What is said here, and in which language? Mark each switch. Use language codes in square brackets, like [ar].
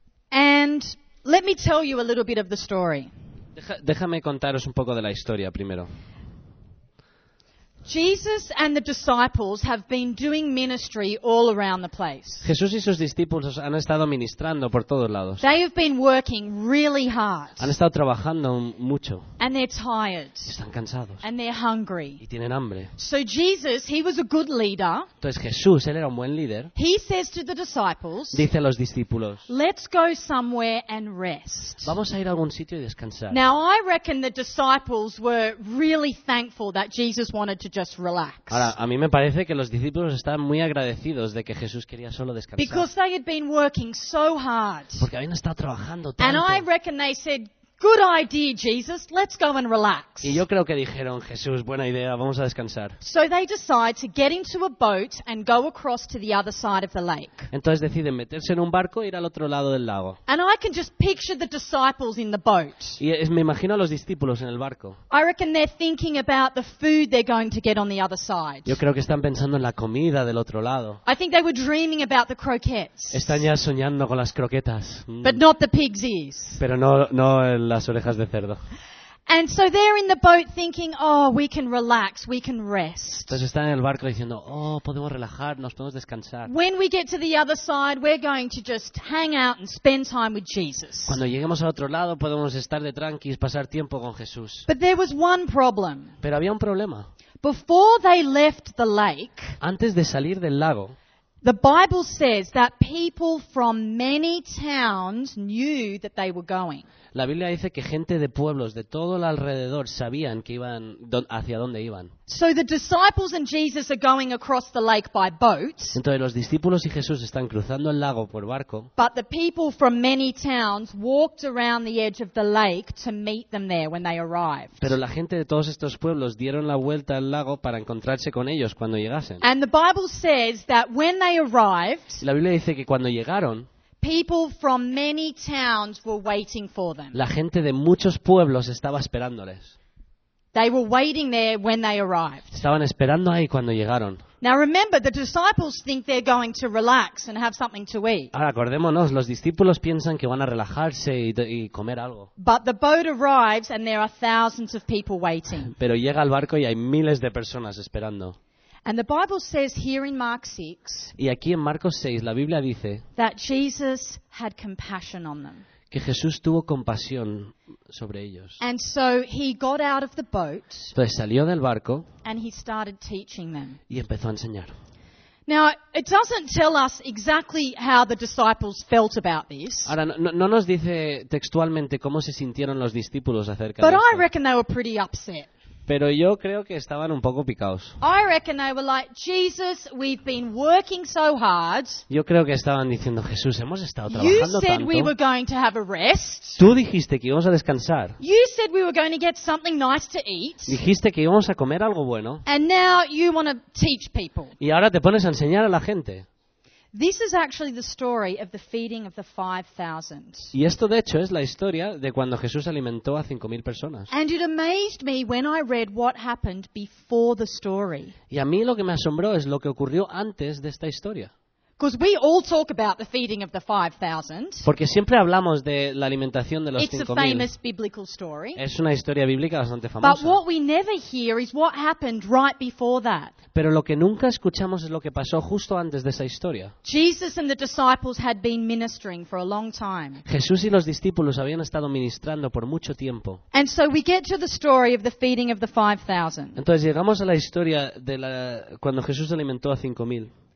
[en] And let me tell you a little bit of the story. [es] Déjame contaros un poco de la historia primero. [en] Jesus and the disciples have been doing ministry all around the place. [es] Jesús y sus discípulos han estado ministrando por todos lados. [en] They have been working really hard. [es] Han estado trabajando mucho. [en] And they're tired. [es] Están cansados. [en] And they're hungry. [es] Y tienen hambre. [en] So Jesus, he was a good leader. [es] Entonces Jesús, él era un buen líder. [en] He says to the disciples, [es] dice a los discípulos, [en] "Let's go somewhere and rest." [es] Vamos a ir a algún sitio y descansar. [en] Now I reckon the disciples were really thankful that Jesus wanted to just relax. [es] Ahora, a mí me parece que los discípulos estaban muy agradecidos de que Jesús quería solo descansar. [en] Because they had been working so hard. [es] Porque habían estado trabajando tanto. [en] And I reckon they said, Good idea, Jesus. Let's go and relax. [es] Y yo creo que dijeron, Jesús, buena idea, vamos a descansar. [en] So they decide to get into a boat and go across to the other side of the lake. [es] Entonces deciden meterse en un barco e ir al otro lado del lago. [en] And I can just picture the disciples in the boat. [es] Y me imagino a los discípulos en el barco. [en] I reckon they're thinking about the food they're going to get on the other side. [es] Yo creo que están pensando en la comida del otro lado. [en] I think they were dreaming about the croquettes. [es] Están ya soñando con las croquetas. [en] But not the pig's ears. [es] Pero no el las orejas de cerdo. [en] And so they're in the boat thinking, oh, we can relax, we can rest. [es] Entonces están en el barco diciendo, oh, podemos relajarnos, podemos descansar. [en] When we get to the other side, we're going to just hang out and spend time with Jesus. [es] Cuando lleguemos al otro lado, podemos estar de tranquis, pasar tiempo con Jesús. [en] But there was one problem. [es] Pero había un problema. [en] Before they left the lake, [es] antes de salir del lago, [en] the Bible says that people from many towns knew that they were going. [es] La Biblia dice que gente de pueblos de todo el alrededor sabían que iban hacia dónde iban. [en] So the disciples and Jesus are going across the lake by boat. [es] Entonces los discípulos y Jesús están cruzando el lago por barco. [en] But the people from many towns walked around the edge of the lake to meet them there when they arrived. [es] Pero la gente de todos estos pueblos dieron la vuelta al lago para encontrarse con ellos cuando llegasen. [en] And the Bible says that when they arrived, [es] la Biblia dice que cuando llegaron, [en] people from many towns were waiting for them. [es] La gente de muchos pueblos estaba esperándoles. [en] They were waiting there when they arrived. [es] Estaban esperando ahí cuando llegaron. [en] Now remember, the disciples think they're going to relax and have something to eat. [es] Ahora acordémonos, los discípulos piensan que van a relajarse y comer algo. [en] But the boat arrives and there are thousands of people waiting. [es] Pero llega el barco y hay miles de personas esperando. [en] And the Bible says here in Mark 6, [es] y aquí en Marcos 6 la Biblia dice [en] that Jesus had compassion on them. [es] Que Jesús tuvo compasión sobre ellos. [en] And so he got out of the boat. [es] Entonces salió del barco. [en] And he started teaching them. [es] Y empezó a enseñar. [en] Now, it doesn't tell us exactly how the disciples felt about this. [es] Ahora, no nos dice textualmente cómo se sintieron los discípulos acerca de esto. [en] But I reckon they were pretty upset. [es] Pero yo creo que estaban un poco picados. [en] I reckon they were like, Jesus, we've been working so hard. [es] Yo creo que estaban diciendo, Jesús, hemos estado trabajando tanto. [en] You said [es] tanto. [en] We were going to have a rest. [es] Tú dijiste que íbamos a descansar. [en] You said we were going to get something nice to eat. [es] Dijiste que íbamos a comer algo bueno. [en] And now you want to teach people. [es] Y ahora te pones a enseñar a la gente. [en] This is actually the story of the feeding of the 5,000. [es] Y esto de hecho es la historia de cuando Jesús alimentó a 5,000 personas. [en] And it amazed me when I read what happened before the story. [es] Y a mí lo que me asombró es lo que ocurrió antes de esta historia. [en] Because we all talk about the feeding of the 5,000. [es] Porque siempre hablamos de la alimentación de los 5,000. [en] It's a famous biblical story. [es] Es una historia bíblica bastante famosa. [en] But what we never hear is what happened right before that. [es] Pero lo que nunca escuchamos es lo que pasó justo antes de esa historia. [en] Jesus and the disciples had been ministering for a long time. [es] Jesús y los discípulos habían estado ministrando por mucho tiempo. [en] And so we get to the story of the feeding of the 5,000. [es] Entonces llegamos a la historia de la cuando Jesús alimentó a 5,000.